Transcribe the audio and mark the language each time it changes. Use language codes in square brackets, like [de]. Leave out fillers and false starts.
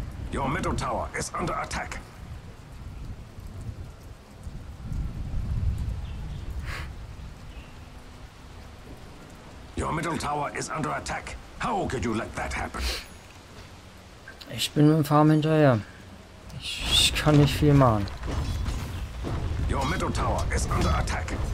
[en] Your middle tower is under attack. Your middle tower is under attack. How could you let that happen? [de] Ich bin mit dem Farm hinterher. Ich kann nicht viel machen. [en] Your middle tower is under attack.